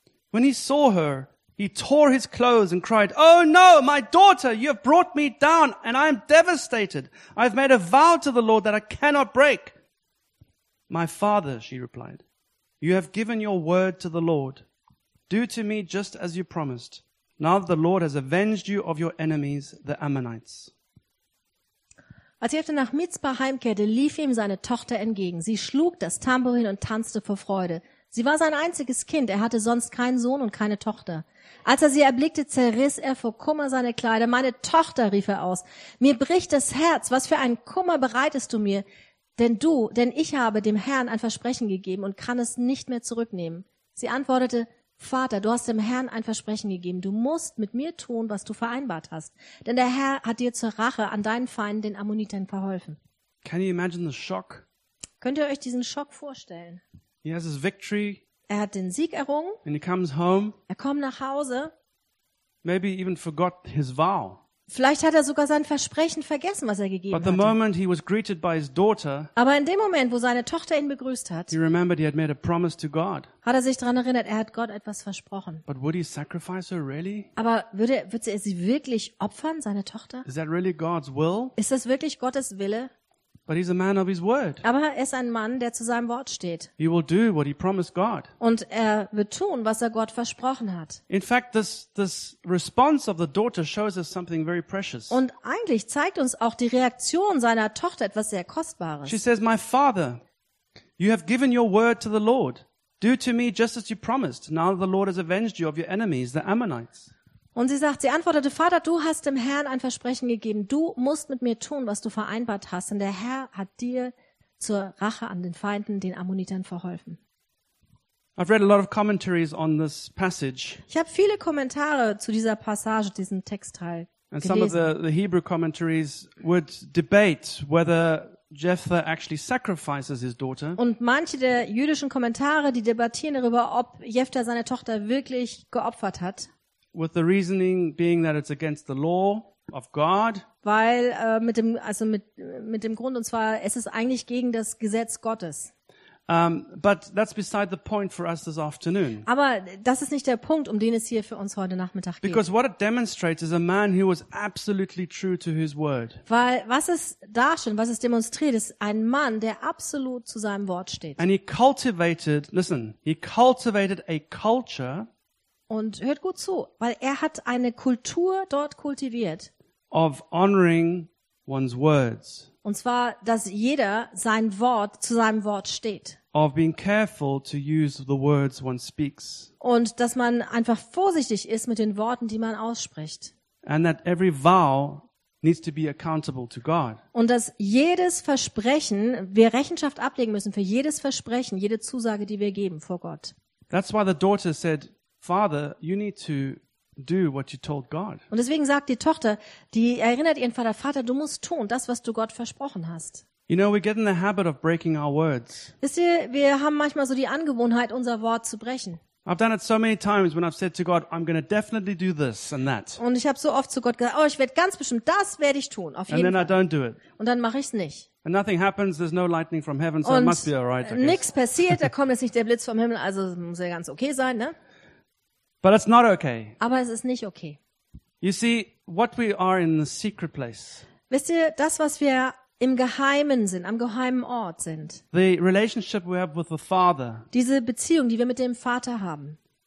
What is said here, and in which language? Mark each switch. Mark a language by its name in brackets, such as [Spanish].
[English] When he saw her, he tore his clothes and cried, oh no, my daughter, you have brought me down and I am devastated. I have made a vow to the Lord that I cannot break. My father, she replied, you have given your word to the Lord. Do to me just as you promised. Now that the Lord has avenged you of your enemies, the Ammonites. [German] Als Jephthah nach Mizpah heimkehrte, lief ihm seine Tochter entgegen. Sie schlug das Tambourin und tanzte vor Freude. Sie war sein einziges Kind. Er hatte sonst keinen Sohn und keine Tochter. Als er sie erblickte, zerriss er vor Kummer seine Kleider. Meine Tochter, rief er aus, mir bricht das Herz. Was für einen Kummer bereitest du mir? Denn ich habe dem Herrn ein Versprechen gegeben und kann es nicht mehr zurücknehmen. Sie antwortete, Vater, du hast dem Herrn ein Versprechen gegeben. Du musst mit mir tun, was du vereinbart hast. Denn der Herr hat dir zur Rache an deinen Feinden, den Ammonitern, verholfen. [English] Can you imagine the shock? [German] Könnt ihr euch diesen Schock vorstellen? [English] He has his victory. [German] Er hat den Sieg errungen. [English] And he comes home. [German] Er kommt nach Hause. [English] Maybe even forgot his vow. [German] Vielleicht hat er sogar sein Versprechen vergessen, was er gegeben hat. [English] But the moment he was greeted by his daughter, [German] aber in dem Moment, wo seine Tochter ihn begrüßt hat, [English] he remembered he had made a promise to God. [German] Hat er sich daran erinnert, er hat Gott etwas versprochen. [English] But would he sacrifice her really? [German] Aber würde er sie wirklich opfern, seine Tochter? [English] Is that really God's will? [German] Ist das wirklich Gottes Wille? [English] But he's a man of his word. [German] Aber er ist ein Mann, der zu seinem Wort steht. [English] He will do what he promised God. [German] Und er wird tun, was er Gott versprochen hat. [English] In fact, this response of the daughter shows us something very precious. [German] Und eigentlich zeigt uns auch die Reaktion seiner Tochter etwas sehr Kostbares. [English] She says, "My father, you have given your word to the Lord. Do to me just as you promised. Now the Lord has avenged you of your enemies, the Ammonites." [German] Und sie antwortete, Vater, du hast dem Herrn ein Versprechen gegeben. Du musst mit mir tun, was du vereinbart hast. Denn der Herr hat dir zur Rache an den Feinden, den Ammonitern, verholfen. [English] I've read a lot of commentaries on this passage. [German] Ich habe viele Kommentare zu dieser Passage, diesem Textteil, gelesen. [English] And some of the Hebrew commentaries would debate whether Jephthah actually sacrifices his daughter. [German] Und manche der jüdischen Kommentare, die debattieren darüber, ob Jephthah seine Tochter wirklich geopfert hat. [English] With the reasoning being that it's against the law, of God. [German] Weil mit dem Grund, und zwar, es ist eigentlich gegen das Gesetz Gottes. [English] But that's beside the point for us this afternoon. [German] Aber das ist nicht der Punkt, um den es hier für uns heute Nachmittag geht. [English] Because what it demonstrates is a man who was absolutely true to his word. [German] Weil was es darstellt, was es demonstriert, ist ein Mann, der absolut zu seinem Wort steht. [English] And he cultivated a culture. [German] Und hört gut zu, weil er hat eine Kultur dort kultiviert. [English] Of honoring one's words. [German] Und zwar, dass jeder sein Wort zu seinem Wort steht. [English] Of being careful to use the words one speaks. [German] Und dass man einfach vorsichtig ist mit den Worten, die man ausspricht. [English] And that every vow needs to be accountable to God. [German] Und dass jedes Versprechen, wir Rechenschaft ablegen müssen für jedes Versprechen, jede Zusage, die wir geben vor Gott. [English] That's why the daughter said, Father, you need to do what you told God. [German] Und deswegen sagt die Tochter, die erinnert ihren Vater, Vater, du musst tun, das, was du Gott versprochen hast. [English] You know, we get in the habit of breaking our words. [German] Wisst ihr, wir haben manchmal so die Angewohnheit, unser Wort zu brechen. [English] I've done it so many times when I've said to God, I'm going to definitely do this and that. [German] Und ich habe so oft zu Gott gesagt, oh, ich werde ganz bestimmt das werde ich tun, auf jeden [English] and then I don't do it. [German] Und dann mache ich es nicht. [English] And nothing happens, there's no lightning from heaven, so [German] und [English] it must be all right. [German] Und nichts passiert, da kommt jetzt nicht der Blitz vom Himmel, also muss ja ganz okay sein, ne? [English] But it's not okay. [German] Aber es ist nicht okay. [English] You see, what we are in the secret place. [German] Wisst ihr, das, was wir im Geheimen sind, am geheimen Ort sind. [English] The relationship we have with the Father. [German] Diese Beziehung, die wir mit dem Vater haben.